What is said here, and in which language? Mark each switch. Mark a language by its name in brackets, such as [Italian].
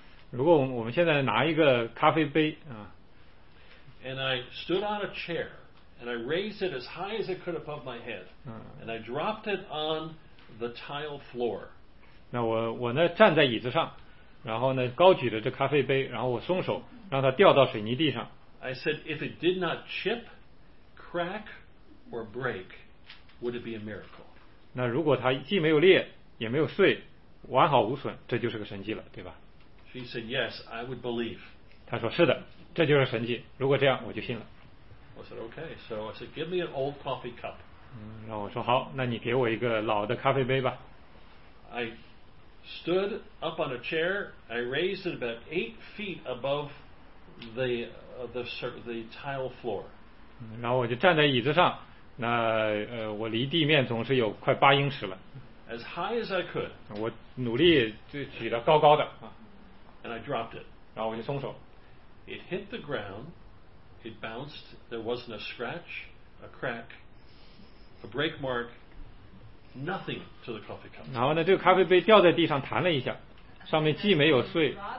[Chinese] 如果我们现在拿一个咖啡杯啊。 [English] And I stood on a chair and I raised it as high as I could above my head, and I dropped it on the tile floor. [Chinese] 那我呢站在椅子上。然后呢，高举着这咖啡杯，然后我松手，让它掉到水泥地上。 [English] I said, if it did not chip, crack, or break, would it be a miracle? [Chinese] 那如果它既没有裂，也没有碎，完好无损，这就是个神迹了，对吧 [English] ？She said, yes, I would believe. [Chinese] 她说是的，这就是神迹。如果这样，我就信了。 [English] I said, okay. So I said, give me an old coffee cup. [Chinese] 然后我说好，那你给我一个老的咖啡杯吧。 [English] I stood up on a chair. I raised it about 8 feet above the tile floor. [Chinese] 然后我就站在椅子上，那我离地面总是有快8英尺了。 [English] As high as I could. [Chinese] 我努力就举得高高的啊。 [English] And I dropped it. [Chinese] 然后我就松手。 [English] It hit the ground. It bounced. There wasn't a scratch, a crack, a break mark. Nothing to the coffee cup. [Chinese] 然后呢，这个咖啡杯掉在地上弹了一下，上面既没有碎